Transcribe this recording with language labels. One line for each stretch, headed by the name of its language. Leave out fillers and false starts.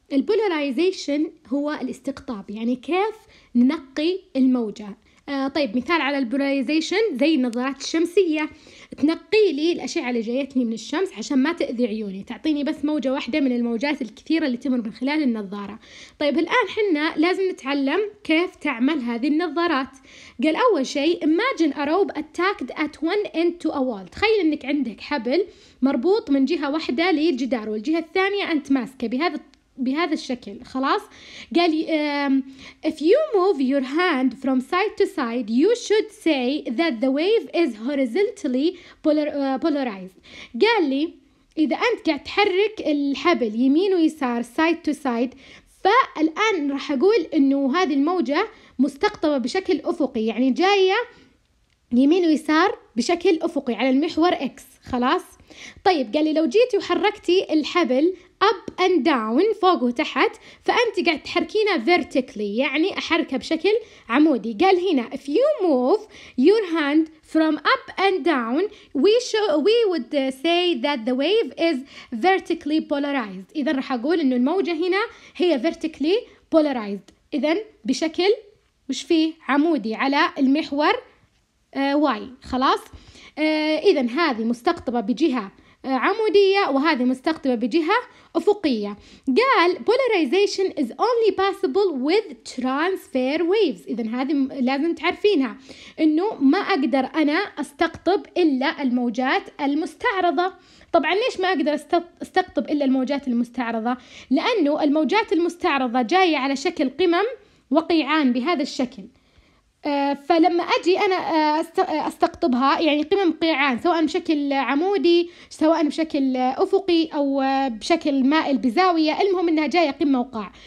Arabic: البولاريزيشن هو الاستقطاب، يعني كيف ننقي الموجة. طيب مثال على البولاريزيشن زي النظارات الشمسية، تنقي لي الأشعة اللي جايتني من الشمس عشان ما تأذي عيوني، تعطيني بس موجة واحدة من الموجات الكثيرة اللي تمر من خلال النظارة. طيب الآن حنا لازم نتعلم كيف تعمل هذه النظارات. قال أول شيء
English: imagine a rope attached at one end to a wall.
Arabic: تخيل أنك عندك حبل مربوط من جهة واحدة للجدار والجهة الثانية أنت ماسكة بهذا الشكل، خلاص. قال
English: if you move your hand from side to side you should say that the wave is horizontally polarized.
Arabic: قال لي إذا أنت قاعد تحرك الحبل يمين ويسار
English: side to side،
Arabic: فالآن راح أقول إنه هذه الموجة مستقطبة بشكل أفقي، يعني جاية يمين ويسار بشكل أفقي على المحور X، خلاص. طيب قال لي لو جيتي وحركتي الحبل
English: up and down،
Arabic: فوق وتحت، فأنت قاعد تحركينه vertically، يعني أحركه بشكل عمودي. قال هنا
English: if you move your hand from up and down we would say that the wave is vertically polarized.
Arabic: إذن رح أقول إنه الموجة هنا هي
English: vertically polarized،
Arabic: إذن بشكل وش فيه عمودي على المحور Y، خلاص. إذن هذه مستقطبة بجهة عمودية وهذه مستقطبة بجهة أفقية. قال
English: polarization is only possible with transfer waves.
Arabic: إذن هذه لازم تعرفينها، إنه ما أقدر أنا أستقطب إلا الموجات المستعرضة. طبعا ليش ما أقدر أستقطب إلا الموجات المستعرضة؟ لأنه الموجات المستعرضة جاية على شكل قمم وقيعان بهذا الشكل، فلما أجي أنا أستقطبها، يعني قمم قيعان سواء بشكل عمودي سواء بشكل أفقي أو بشكل مائل بزاوية، المهم أنها جاية قمة وقاع.